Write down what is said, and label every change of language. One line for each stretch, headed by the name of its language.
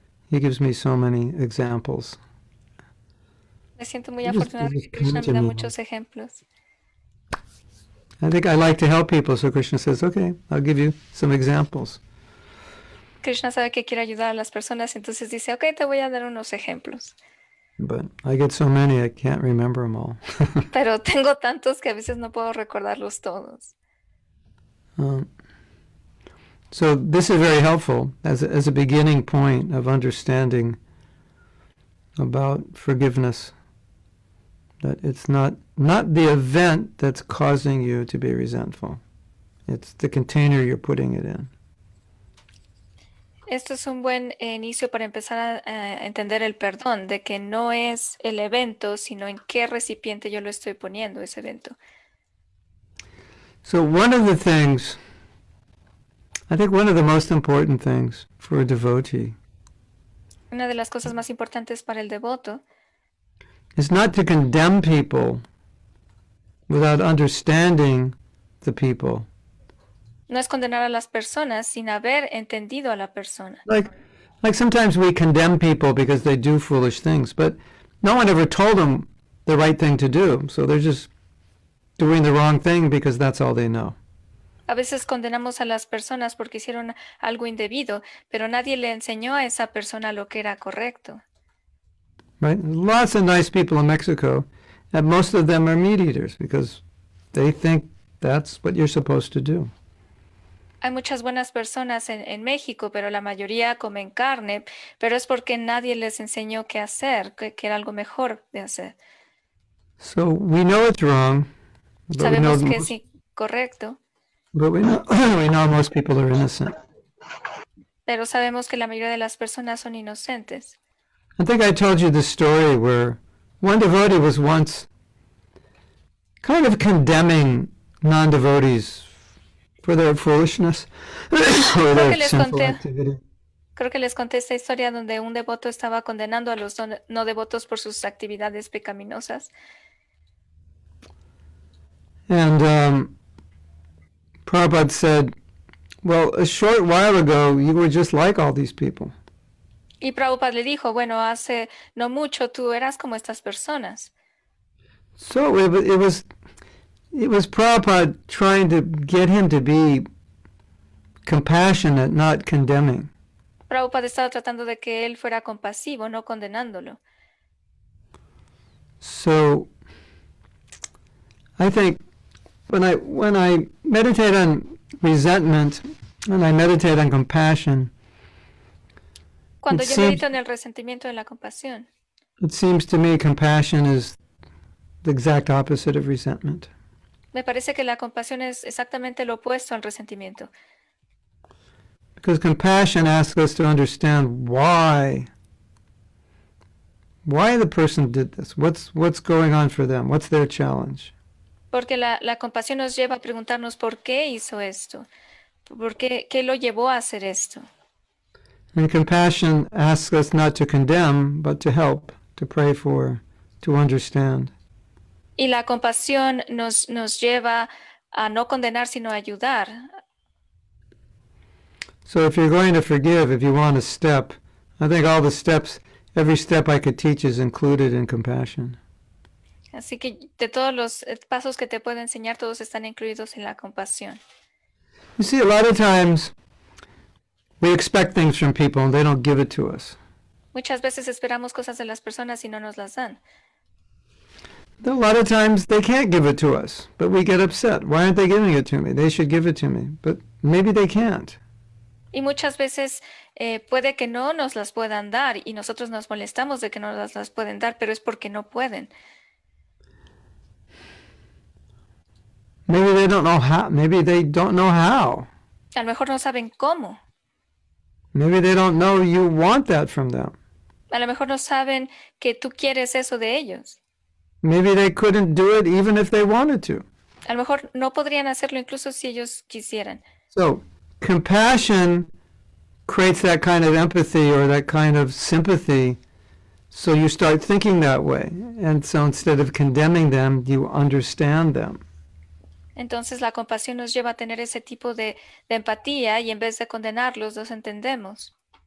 English: He gives me so many examples.
Spanish: Me siento muy afortunada que Krishna me da muchos ejemplos.
English: I think I like to help people, so Krishna says, "Okay, I'll give you some examples."
Spanish: Krishna sabe que quiere ayudar a las personas, entonces dice, "Okay, te voy a dar unos ejemplos."
English: But I get so many, I can't remember them all.
Spanish: Pero tengo tantos que a veces no puedo recordarlos todos.
English: So this is very helpful as a beginning point of understanding about forgiveness, that it's not the event that's causing you to be resentful. It's the container you're putting it in.
Spanish: Esto es un buen inicio para empezar a entender el perdón, de que no es el evento, sino en qué recipiente yo lo estoy poniendo ese evento.
English: So one of the things, I think one of the most important things for a devotee,
Spanish: una de las cosas más importantes para el devoto,
English: is not to condemn people without understanding the people.
Spanish: No es condenar a las personas sin haber entendido a la persona.
English: Like, Like sometimes we condemn people because they do foolish things, but no one ever told them the right thing to do. So they're just doing the wrong thing because that's all they know.
Spanish: A veces condenamos a las personas porque hicieron algo indebido, pero nadie le enseñó a esa persona lo que era correcto.
English: Right? Lots of nice people in Mexico, and most of them are meat eaters because they think that's what you're supposed to do.
Spanish: Hay muchas buenas personas en México, pero la mayoría comen carne, pero es porque nadie les enseñó qué hacer, que era algo mejor de hacer.
English: So we know it's wrong, but
Spanish: sabemos
English: we know
Spanish: que
English: most,
Spanish: es incorrecto.
English: But we know most people are innocent.
Spanish: Pero sabemos que la mayoría de las personas son inocentes.
English: I think I told you the story where one devotee was once kind of condemning non-devotees for their foolishness or their sinful activity.
Spanish: Creo que les conté esta historia donde un devoto estaba condenando a los no devotos por sus actividades pecaminosas.
English: And Prabhupada said, well, a short while ago, you were just like all these people.
Spanish: Y Prabhupada le dijo, bueno, hace no mucho, tú eras como estas personas.
English: So it was Prabhupada trying to get him to be compassionate, not condemning.
Spanish: Prabhupada estaba tratando de que él fuera compasivo, no condenándolo.
English: So, I think when I meditate on resentment and I meditate on compassion,
Spanish: cuando yo medito en el resentimiento y en la compasión,
English: it seems to me compassion is the exact opposite of resentment.
Spanish: Me parece que la compasión es exactamente lo opuesto al resentimiento.
English: Because compassion asks us to understand why the person did this. What's going on for them? What's their challenge?
Spanish: Porque la compasión nos lleva a preguntarnos por qué hizo esto, por qué lo llevó a hacer esto.
English: And compassion asks us not to condemn, but to help, to pray for, to understand.
Spanish: Y la compasión nos lleva a no condenar, sino a ayudar.
English: So if you're going to forgive, if you want a step, I think all the steps, every step I could teach is included in compassion.
Spanish: Así que de todos los pasos que te puedo enseñar, todos están incluidos en la compasión.
English: You see, a lot of times we expect things from people and they don't give it to us.
Spanish: Muchas veces esperamos cosas de las personas y no nos las dan.
English: A lot of times they can't give it to us, but we get upset. Why aren't they giving it to me? They should give it to me, but maybe they can't.
Spanish: Y muchas veces puede que no nos las puedan dar y nosotros nos molestamos de que no nos las pueden dar, pero es porque no pueden.
English: Maybe they don't know how. Maybe they don't know how.
Spanish: A lo mejor no saben cómo.
English: Maybe they don't know you want that from them.
Spanish: A lo mejor no saben que tú quieres eso de ellos.
English: Maybe they couldn't do it even if they wanted to.
Spanish: A lo mejor no podrían hacerlo incluso si ellos quisieran.
English: So, compassion creates that kind of empathy or that kind of sympathy. So you start thinking that way. And so instead of condemning them, you understand them.
Spanish: Entonces la compasión nos lleva a tener ese tipo de empatía y en vez de condenarlos, los entendemos.